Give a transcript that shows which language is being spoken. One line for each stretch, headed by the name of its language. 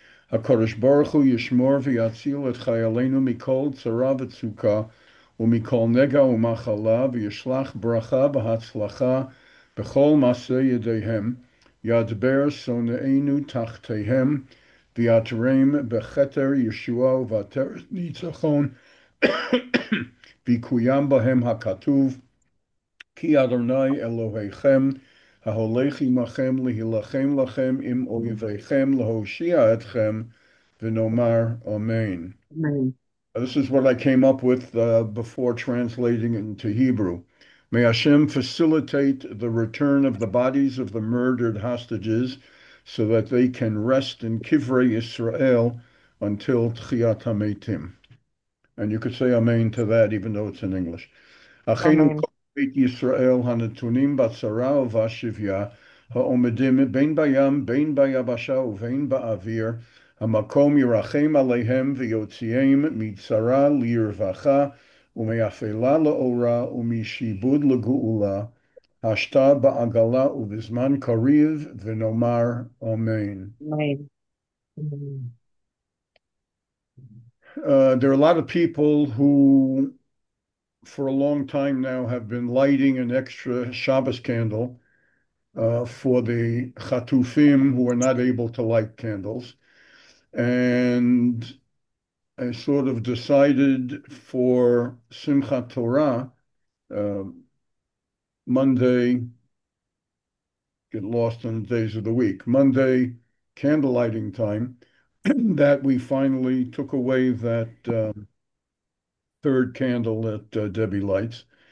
Hebrew: הקדוש ברוך הוא ישמור ויציל את חיילינו מכל צרה וצוקה ומכל נגע ומחלה, וישלח ברכה והצלחה בכל מעשה ידיהם, ידבר שונאינו תחתיהם, ויתרם בכתר ישועה ובעטרת ניצחון, ויקוים בהם הכתוב, כי אדוני אלוהיכם, ההולך עמכם להילחם לכם עם אויביכם, להושיע אתכם, ונאמר אמן. אמן.
English: This is what I came up with before translating it into Hebrew. May Hashem facilitate the return of the bodies of the murdered hostages so that they can rest in Kivrei Yisrael until Tchiyat HaMeitim. And you could say Amen to that, even though it's in English.
Hebrew: Achenu kol Beit Yisrael hanetunim batzara uvashivya ha'omedim bein bayam, bein bayabasha uvein ba'avir. המקום ירחם עליהם ויוציאם מצרה לרווחה ומאפלה לאורה ומשיבוד לגאולה, השתא בעגלה ובזמן קריב, ונאמר אמן.
English: There are a lot of people who for a long time now have been lighting an extra Shabbos candle for the chatufim who are not able to light candles. And I sort of decided for Simchat Torah, Monday, get lost in the days of the week, Monday candle lighting time, that we finally took away that third candle that Debbie lights.